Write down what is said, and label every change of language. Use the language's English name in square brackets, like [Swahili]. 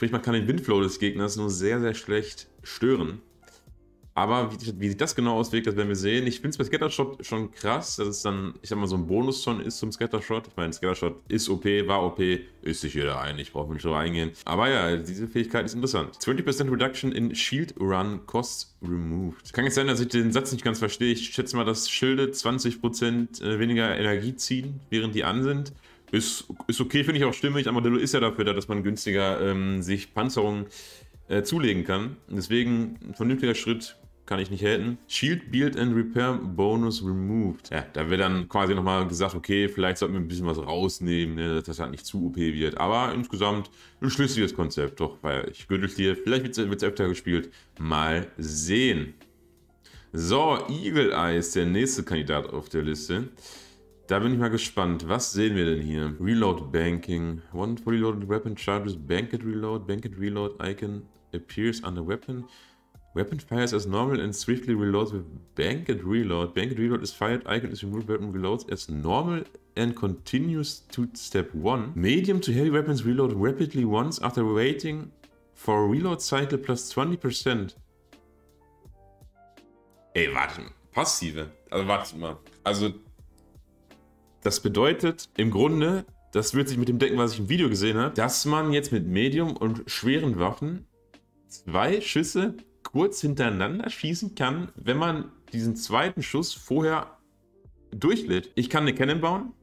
[German] Sprich, man kann den Windflow des Gegners nur sehr, sehr schlecht stören. Aber wie sich das genau auswirkt, das werden wir sehen. Ich finde es bei Scattershot schon krass, dass es dann, ich sag mal, so ein Bonus schon ist zum Scattershot. Ich meine, Scattershot ist OP, war OP, ist sich jeder ein, ich brauche nicht drüber eingehen. Aber ja, diese Fähigkeit ist interessant. [English] 20% Reduction in Shield Run Costs Removed. [German] Kann jetzt sein, dass ich den Satz nicht ganz verstehe. Ich schätze mal, dass Schilde 20% weniger Energie ziehen, während die an sind. Ist okay, finde ich auch stimmig. Armadillo ist ja dafür da, dass man günstiger sich Panzerung zulegen kann. Deswegen, ein vernünftiger Schritt kann ich nicht haten. [English] Shield Build and Repair Bonus Removed. [German] Ja, da wird dann quasi nochmal gesagt, okay, vielleicht sollten wir ein bisschen was rausnehmen, ne, dass das halt nicht zu OP wird. Aber insgesamt ein schlüssiges Konzept. Doch, weil ich Gürteltier, vielleicht wird es öfter gespielt. Mal sehen. So, Eagle Eye ist der nächste Kandidat auf der Liste. Da bin ich mal gespannt. Was sehen wir denn hier? Reload Banking. [English] One fully loaded weapon charges. Banket Reload. Banket Reload Icon appears on the weapon. Weapon fires as normal and swiftly reloads with Banket Reload. Banket Reload is fired. Icon is removed. Weapon reloads as normal and continues to step 1. Medium to heavy weapons reload rapidly once after waiting for reload cycle plus 20%. [German] Ey, warte mal. Passive. Also, warte mal. Also, das bedeutet im Grunde, das wird sich mit dem decken, was ich im Video gesehen habe, dass man jetzt mit Medium und schweren Waffen zwei Schüsse kurz hintereinander schießen kann, wenn man diesen zweiten Schuss vorher durchlädt. Ich kann eine Cannon bauen.